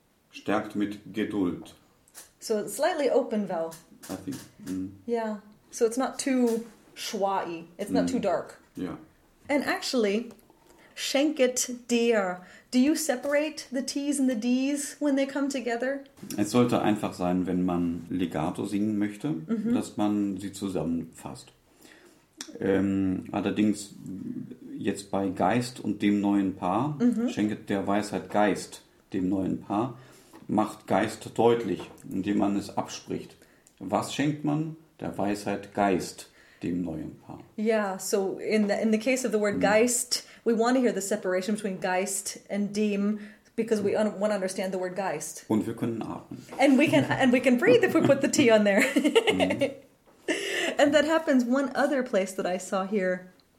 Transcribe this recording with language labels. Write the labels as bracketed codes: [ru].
[de] Stärkt mit Geduld. [en] So it's slightly open vowel. I think. Yeah. So it's not too schwa-y. It's not too dark. Yeah. And actually, [de] schenket dir. [en] Do you separate the T's and the D's when they come together? [de] Es sollte einfach sein, wenn man Legato singen möchte, dass man sie zusammenfasst. Allerdings jetzt bei Geist und dem neuen Paar, schenket der Weisheit Geist dem neuen Paar, macht Geist deutlich, indem man es abspricht. Was schenkt man? Der Weisheit Geist. Dem neuen Paar. [en] Yeah, so in the case of the word Geist, we want to hear the separation between Geist and dem, because we want to understand the word Geist. [de] Und wir können atmen. [en] And we can breathe if we put the T on there. And that happens one other place that I saw here.